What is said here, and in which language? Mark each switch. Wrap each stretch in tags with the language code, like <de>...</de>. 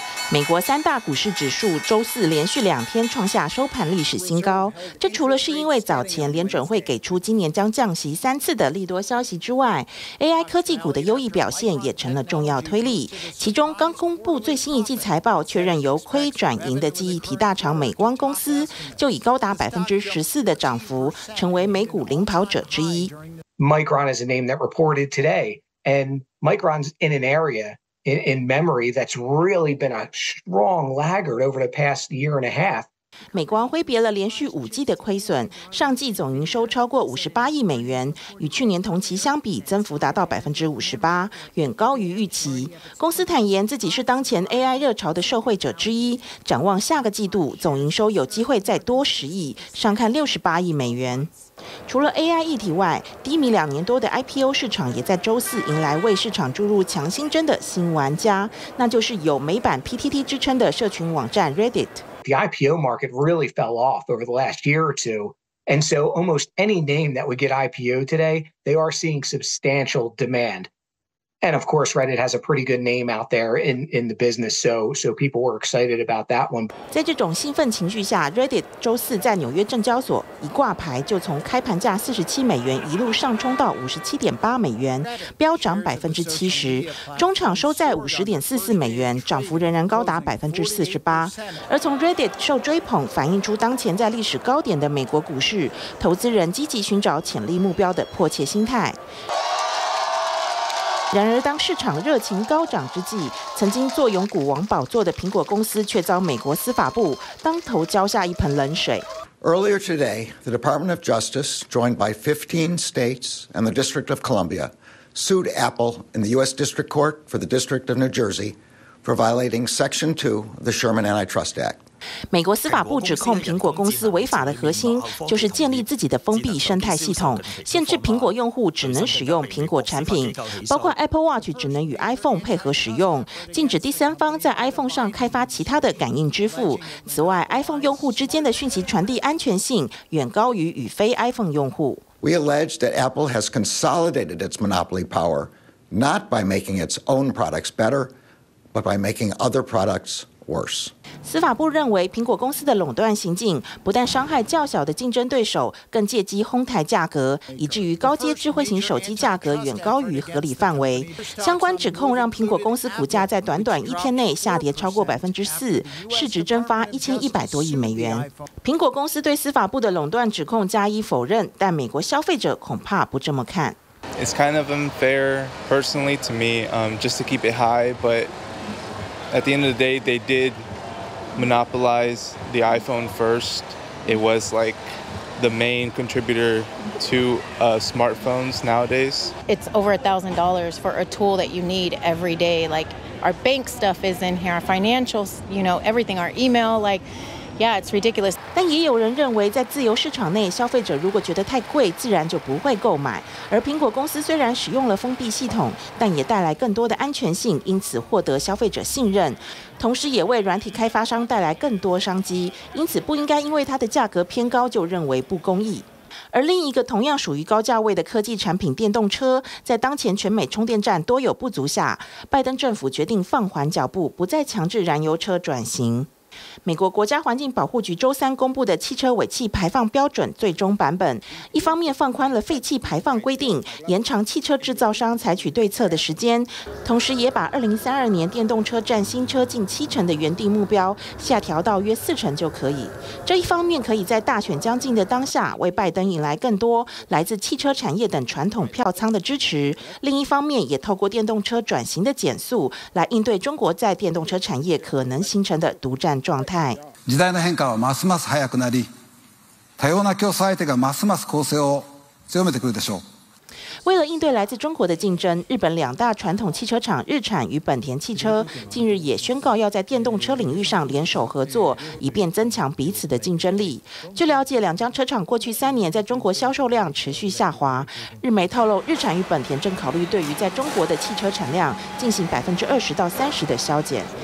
<zh>美国三大股市指数周四连续两天创下收盘历史新高，这除了是因为早前联准会给出今年将降息3次的利多消息之外， AI 科技股的优异表现也成了重要推力。其中刚公布最新一季财报，确认由亏转盈的记忆体大厂美光公司就以高达14%的涨幅成为美股领跑者之一。</zh> <en>Micron is a name that reported today, and Micron's in an areaIn memory, that's really been a strong laggard over the past year and a half.</en> <zh>美光挥别了连续五季的亏损，上季总营收超过58亿美元，与去年同期相比增幅达到58%，远高于预期。公司坦言自己是当前 AI 热潮的受惠者之一，展望下个季度总营收有机会再多10亿，上看68亿美元。除了 AI 议题外，低迷两年多的 IPO 市场也在周四迎来为市场注入强心针的新玩家，那就是有美版 PTT 之称的社群网站 Reddit。</zh> <en>The IPO market really fell off over the last year or two, and so almost any name that would get IPO today, they are seeing substantial demand. And of course, Reddit has a pretty good name out there in the business, so people were excited about that one.</en> <zh>在这种兴奋情绪下 ，Reddit 周四在纽约证交所一挂牌，就从开盘价47美元一路上冲到57.8美元，飙涨70%，中场收在50.44美元，涨幅仍然高达48%。而从 Reddit 受追捧，反映出当前在历史高点的美国股市，投资人积极寻找潜力目标的迫切心态。然而当市场热情高涨之际，曾经坐拥股王宝座的苹果公司却遭美国司法部当头浇下一盆冷水。</zh> <en>Earlier today, the Department of Justice, joined by 15 states and the District of Columbia, sued Apple in the U.S. District Court for the District of New Jersey for violating Section 2 of the Sherman Antitrust Act.</en> <zh>美国司法部指控苹果公司违法的核心就是建立自己的封闭生态系统，限制苹果用户只能使用苹果产品，包括 Apple Watch 只能与 iPhone 配合使用，禁止第三方在 iPhone 上开发其他的感应支付。此外， iPhone 用户之间的讯息传递安全性远高于与非 iPhone 用户。</zh> <en>We allege that Apple has consolidated its monopoly power not by making its own products better, but by making other products worse.</en> <zh>司法部认为苹果公司的垄断行径不但伤害较小的竞争对手，更借机哄抬价格，以至于高阶智慧型手机价格远高于合理范围。相关指控让苹果公司股价在短短一天内下跌超过4%，市值蒸发1100多亿美元。苹果公司对司法部的垄断指控加以否认，但美国消费者恐怕不这么看。</zh> <en>It's kind of unfair personally to me, just to keep it high, but at the end of the day, they diddid monopolize the iPhone first. It was like the main contributor to smartphones nowadays. It's over $1,000 for a tool that you need every day. Like our bank stuff is in here, our financials, you know, everything, our email, like, yeah, it's ridiculous.</en> <zh>但也有人认为在自由市场内，消费者如果觉得太贵，自然就不会购买。而苹果公司虽然使用了封闭系统，但也带来更多的安全性，因此获得消费者信任。同时也为软体开发商带来更多商机，因此不应该因为它的价格偏高就认为不公义。而另一个同样属于高价位的科技产品电动车，在当前全美充电站多有不足下，拜登政府决定放缓脚步，不再强制燃油车转型。美国国家环境保护局周三公布的汽车尾气排放标准最终版本，一方面放宽了废气排放规定，延长汽车制造商采取对策的时间，同时也把2032年电动车占新车近70%的原定目标下调到约40%就可以。这一方面可以在大选将近的当下为拜登引来更多来自汽车产业等传统票仓的支持，另一方面也透过电动车转型的减速来应对中国在电动车产业可能形成的独占状態。</zh> <ja>時代の変化はますます早くなり、多様な競争相手がますます攻勢を強めてくるでしょう。</ja> <zh>为了应对来自中国的竞争，日本两大传统汽车厂日产与本田汽车近日也宣告要在电动车领域上联手合作，以便增强彼此的竞争力。据了解，两家车厂过去三年在中国销售量持续下滑。日媒透露，日产与本田正考虑对于在中国的汽车产量进行20%到30%的削减。</zh>